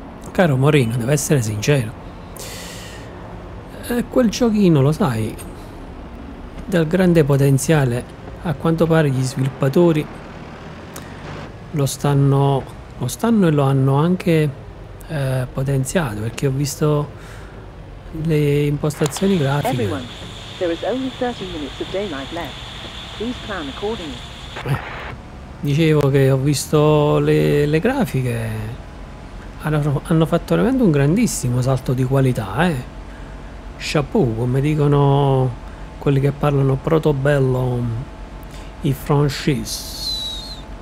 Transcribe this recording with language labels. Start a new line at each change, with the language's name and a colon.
Italian: Caro Morino, devo essere sincero, quel giochino, lo sai, dal grande potenziale, a quanto pare gli sviluppatori lo stanno e lo hanno anche potenziato, perché ho visto le impostazioni grafiche.
English: Everyone. There is only 30 minutes of daylight left. Please plan accordingly.
Italian: Dicevo che ho visto le grafiche, hanno fatto veramente un grandissimo salto di qualità, eh. Chapeau, come dicono quelli che parlano protobello, i francesi.